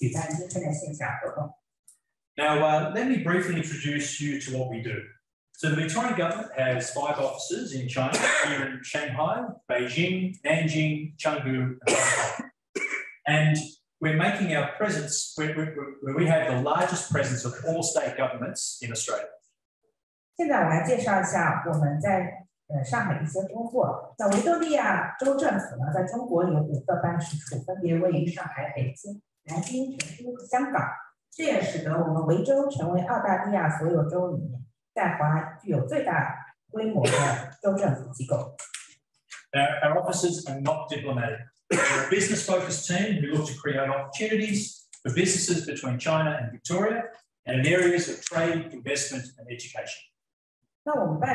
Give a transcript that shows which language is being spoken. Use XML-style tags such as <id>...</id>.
<zh>我们很高兴能够主办今天的线下活动，因为在疫情下呢，就在全世界很多地方都是做不到的。我们很清楚地认识到，但是在上海政府的上海市政府的英明领导下，联防联控的成绩下，我们才能够举办今天的线下活动。</zh> <en>Now, let me briefly introduce you to what we do. So the Victorian government has 5 offices in China, here in Shanghai, Beijing, Nanjing, Chengdu, and we're making our presence, we have the largest presence of all state governments in Australia.</en> <zh>现在我来介绍一下我们在上海一些工作。那维多利亚州政府呢，在中国有5个办事处，分别位于上海、北京、南京、成都和香港。这也使得我们维州成为澳大利亚所有州里面在华具有最大规模的州政府机构。</zh> <en>Our offices are not diplomatic. We're a business-focused team who look to create opportunities for businesses between China and Victoria and in areas of trade, investment, and education.</en>